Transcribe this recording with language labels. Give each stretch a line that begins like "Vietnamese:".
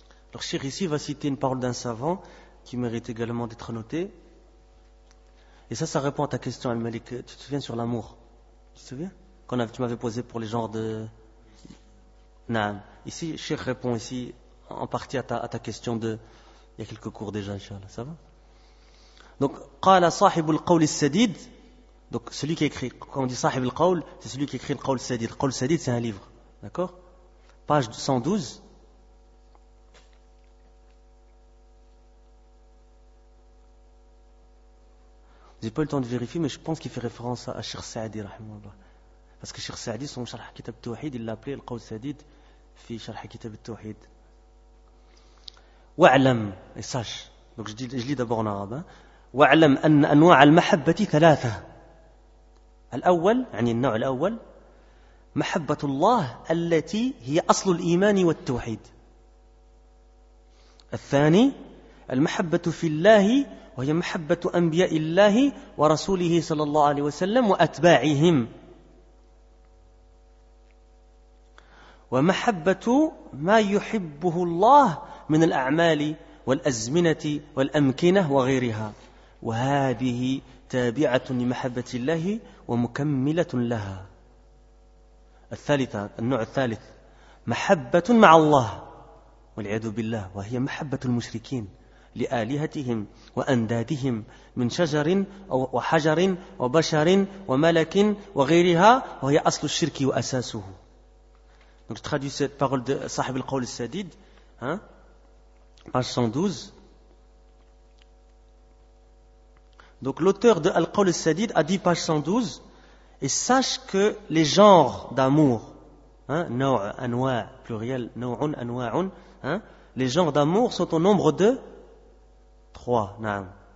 French: Alors, Cheikh ici va citer une parole d'un savant qui mérite également d'être notée. Et ça répond à ta question, Al-Malik. Tu te souviens sur l'amour? Tu te souviens? Tu m'avais posé pour les genres de... Naam. Ici, Cheikh répond ici en partie à ta question de... Il y a quelques cours déjà, Inch'Allah. Ça va?
Arabic: Donc, قال صاحب القول السديد.
French: Donc, celui qui écrit, quand on dit صاحب القول, c'est celui qui écrit le قول السديد. Le قول السديد, c'est un livre. D'accord? Page 112. J'ai pas eu le temps de vérifier, mais je pense qu'il fait référence à Cheikh Saadi, rahimahullah. Parce que Cheikh Saadi, son Sharh Kitab Tawhid, il l'a appelé le قول السديد fi Sharh Kitab Tawhid.
Arabic: وعلم,
French: et sache. Donc, je lis d'abord en arabe.
Arabic: وعلم أن أنواع المحبة ثلاثة الأول يعني النوع الأول محبة الله التي هي أصل الإيمان والتوحيد الثاني المحبة في الله وهي محبة أنبياء الله ورسوله صلى الله عليه وسلم وأتباعهم ومحبة ما يحبه الله من الأعمال والأزمنة والأمكنة وغيرها وهذه تابعة لمحبة الله ومكملة لها الثالثة النوع الثالث محبة مع الله والعياذ بالله وهي محبة المشركين لآلهتهم وأندادهم من شجر وحجر وبشر وملك وغيرها وهي أصل الشرك وأساسه.
French: Donc je traduis cette parole de صاحب القول السديد, page 112. Donc l'auteur de Al-Qawl al-Sadid a dit, page 112, et sache que les genres d'amour, nawa, anwa, pluriel, nawa'un, anwa'un, les genres d'amour sont au nombre de trois. Naam.